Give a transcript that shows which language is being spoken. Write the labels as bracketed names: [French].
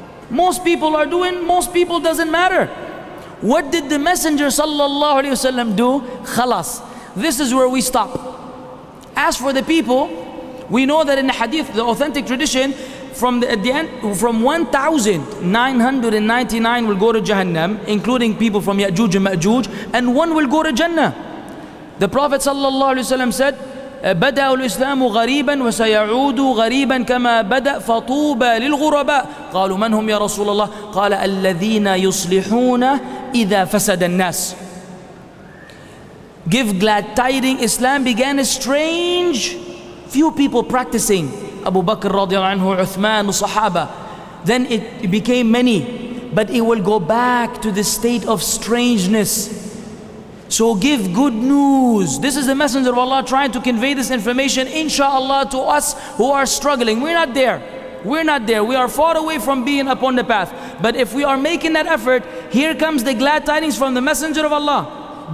[English] Most people are doing, most people doesn't matter. What did the Messenger sallallahu alayhi wa sallam do? Khalas. This is where we stop. As for the people, we know that in the hadith, the authentic tradition, from 1,999 will go to Jahannam, including people from Ya'juj and Ma'juj, and one will go to Jannah. The Prophet sallallahu alayhi wa sallam said, [Arabic] بدأ الإسلام غريبا وسيعود غريبا كما بدأ فطوبى للغرباء قالوا من هم يا رسول الله قال الذين يصلحون إذا فسد الناس. [English] Give glad tidings, Islam began a strange few people practicing. Abu Bakr [Arabic] رضي الله عنه, [English] Uthman, الصحابة. Then it became many, but it will go back to the state of strangeness. So give good news. This is the Messenger of Allah trying to convey this information, inshallah, to us who are struggling. We're not there. We're not there. We are far away from being upon the path. But if we are making that effort, here comes the glad tidings from the Messenger of Allah.